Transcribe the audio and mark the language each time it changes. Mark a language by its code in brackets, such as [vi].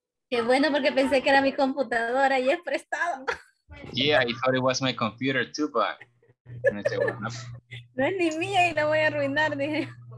[es] Qué bueno porque pensé que era mi computadora y es prestado. [en] Yeah, I thought it was my computer too, but. [es] No es ni mía y la voy a arruinar, dije.